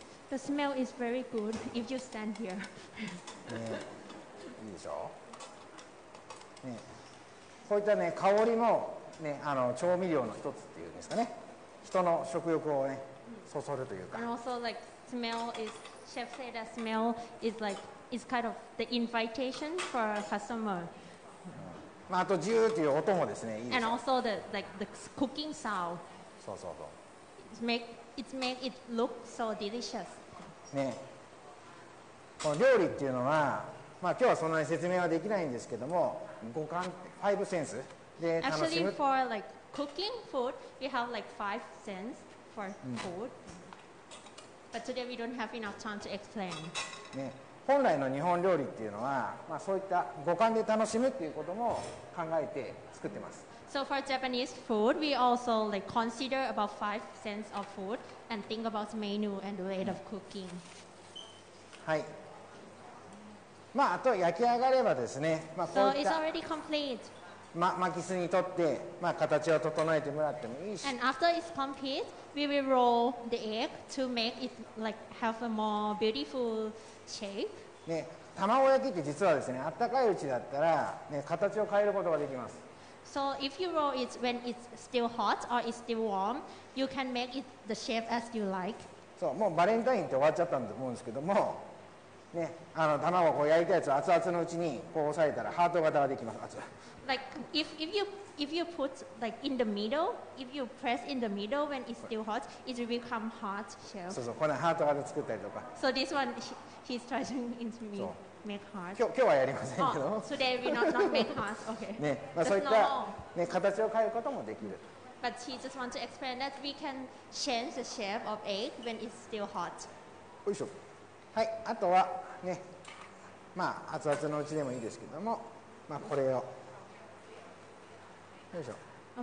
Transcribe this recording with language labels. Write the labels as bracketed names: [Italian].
[English] The smell is very good if you stand here. [Japanese] ね、いいでしょ。ね、こういったね、香りもね、調味料の一つっていうんですかね。人の食欲をね、そそるというか。 [English] And also, like, smell is, chef said that smell is like is kind of the invitation for a customer. [Japanese] まあ、あとジューという音もですね、いいです [English] ね。And also the, like, the cooking sound. [Japanese] そうそうそう。 [English] It make it look so delicious. [Japanese] ね。この料理っていうのは、まあ、今日はそんなに説明はできないんですけども、五感、ファイブセンスで楽しむ。 [English] Actually, for like cooking food, we have like five sense for food.、うん、But today we don't have enough time to explain. [Japanese] ね。本来の日本料理っていうのは、まあ、そういった五感で楽しむっていうことも考えて作ってます。 [English] So for Japanese food, we also like consider about five sense of food and think about menu and way of cooking. [Japanese] はい。まああと焼き上がればですね、まあ、こういった [English] So it's already complete. [Japanese] ま、巻き巣にとって、まあ、形を整えてもらってもいいし。 [English] And after it's complete, we will roll the egg to make it like have a more beautiful shape. [Japanese] ね、卵焼きって実はですね、あったかいうちだったら、ね、形を変えることができます。 [English] So if you roll it when it's still hot or it's still warm, you can make it the shape as you like. [Japanese] そう、もうバレンタインって終わっちゃったと思うんですけども、ね、あの卵をこう焼いたやつを熱々のうちにこう押さえたらハート型ができます。熱。 [English] Like if you put like in the middle, if you press in the middle when it's still hot, it will become hot shape. [Japanese] そうそう、このハート型作ったりとか。 [English] So this one he's trying to me. [Japanese] 今日、今日はやりませんけど、 [English] oh, today we not make hearts. Okay. [Japanese] ね、まあ、そういった、ね、形を変えることもできる。 [English] But he just want to explain that we can change the shape of egg when it's still hot. [Japanese] おいしょ。はい、あとはね、まあ熱々のうちでもいいですけども、まあこれをよいしょ。